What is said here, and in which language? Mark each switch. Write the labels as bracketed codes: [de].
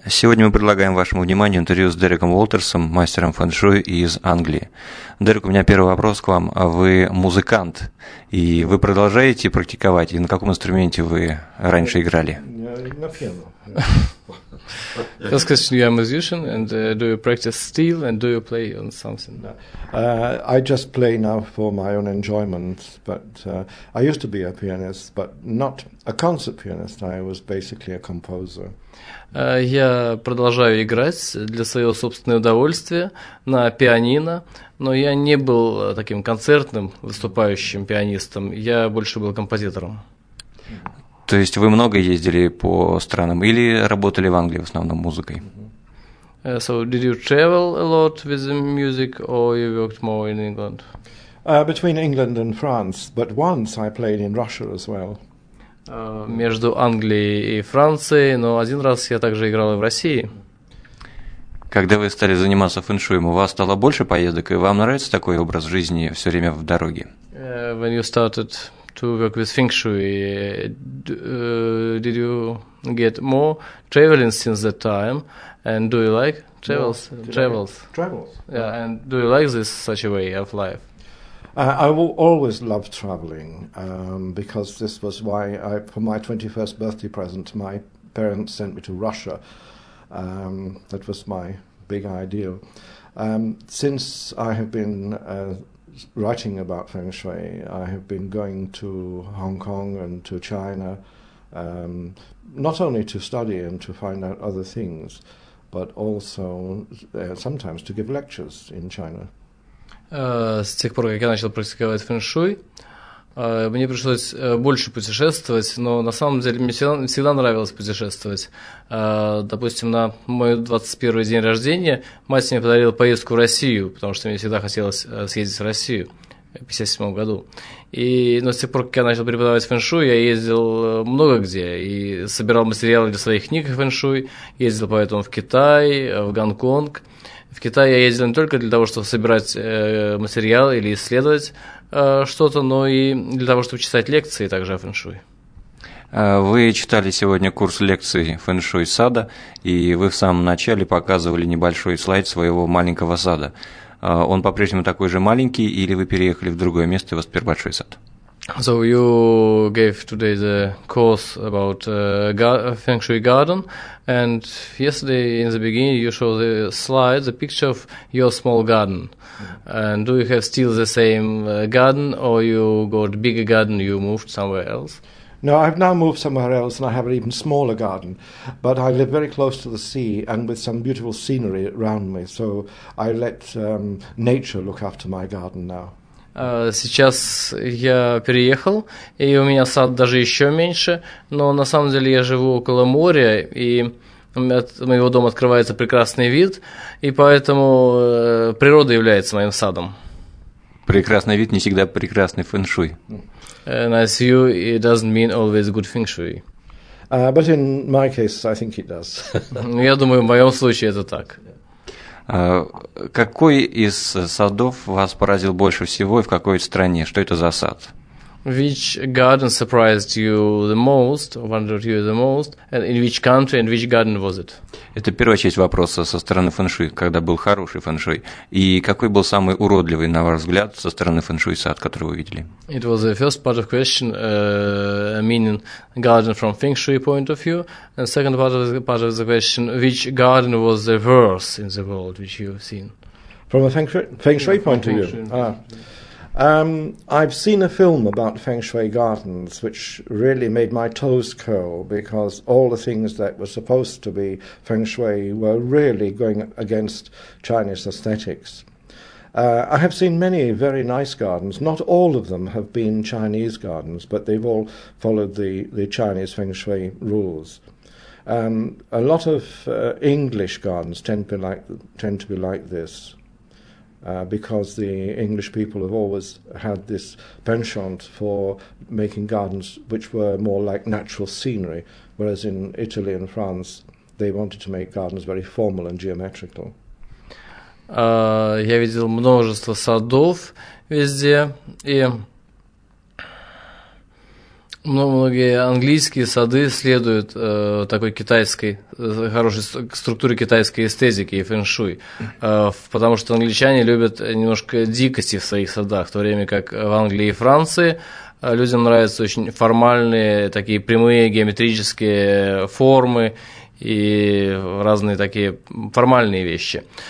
[ru] Сегодня мы предлагаем вашему вниманию интервью с Дереком Уолтерсом, мастером фэн-шуй из Англии. Дерек, у меня первый вопрос к вам. Вы музыкант, и вы продолжаете практиковать? И на каком инструменте вы раньше играли? На пиано. [en] First question, you are a musician, and do you practice still, and do you play on something? No. I just play now for my own enjoyment, but I used to be a pianist, but not a concert pianist, I was basically a composer. [ru] Я продолжаю играть для своего собственного удовольствия на пианино, но я не был таким концертным выступающим пианистом, я больше был композитором. То есть вы много ездили по странам или работали в Англии в основном музыкой? [en] So did you travel a lot with the music or you worked more in England? Between England and France, but once I played in Russia as well. [ru] Между Англией и Францией, но один раз я также играл и в России. Когда вы стали заниматься фэншуем, у вас стало больше поездок, и вам нравится такой образ жизни все время в дороге? [en] When you started to work with Feng Shui, did you get more traveling since that time? And do you like travels? No, travels. Travels. Yeah, oh. And do you like this such a way of life? I always loved traveling because this was why I, for my 21st birthday present, my parents sent me to Russia. That was my big ideal. Since I have been writing about Feng Shui, I have been going to Hong Kong and to China, not only to study and to find out other things, but also sometimes to give lectures in China. [ru] С тех пор, как я начал практиковать фэншуй, мне пришлось больше путешествовать, но на самом деле мне всегда нравилось путешествовать. Допустим, на мой 21-й день рождения мать мне подарила поездку в Россию, потому что мне всегда хотелось съездить в Россию в 1957 году. Но с тех пор, как я начал преподавать фэншуй, я ездил много где и собирал материалы для своих книг фэншуй, ездил поэтому в Китай, в Гонконг. В Китай я ездил не только для того, чтобы собирать материал или исследовать что-то, но и для того, чтобы читать лекции также о фэншуй. Вы читали сегодня курс лекций фэншуй сада, и вы в самом начале показывали небольшой слайд своего маленького сада. Он по-прежнему такой же маленький, или вы переехали в другое место, и у вас теперь большой сад? [en] So you gave today the course about Feng Shui garden, and yesterday in the beginning you showed the slide, the picture of your small garden. Mm-hmm. And do you have still the same garden, or you got bigger garden, you moved somewhere else? No, I've now moved somewhere else, and I have an even smaller garden. But I live very close to the sea, and with some beautiful scenery around me, so I let nature look after my garden now. [ru] Сейчас я переехал, и у меня сад даже еще меньше, но на самом деле я живу около моря, и от моего дома открывается прекрасный вид, и поэтому природа является моим садом. Прекрасный вид не всегда прекрасный фэншуй. [en] Nice view, it doesn't mean always good feng shui. But in my case, I think it does. [ru] Я думаю, в моем случае это так. Какой из садов вас поразил больше всего и в какой стране? Что это за сад? [en] Which garden surprised you the most, wondered you the most, and in which country and which garden was it? [ru] Это первая часть вопроса со стороны фэншуй, когда был хороший фэншуй. И какой был самый уродливый, на ваш взгляд, со стороны фэншуй сад, который вы видели? [en] It was the first part of question, meaning garden from feng shui point of view, and second part of the question, which garden was the worst in the world which you've seen? From a feng shui point of view? I've seen a film about Feng Shui gardens, which really made my toes curl, because all the things that were supposed to be Feng Shui were really going against Chinese aesthetics. I have seen many very nice gardens. Not all of them have been Chinese gardens, but they've all followed the Chinese Feng Shui rules. A lot of English gardens tend to be like this. Because the English people have always had this penchant for making gardens which were more like natural scenery, whereas in Italy and France they wanted to make gardens very formal and geometrical. [ru] Я видел множество садов везде, и Многие английские сады следуют такой китайской, хорошей структуре китайской эстетики и фэншуй, потому что англичане любят немножко дикости в своих садах, в то время как в Англии и Франции людям нравятся очень формальные, такие прямые геометрические формы и разные такие формальные вещи.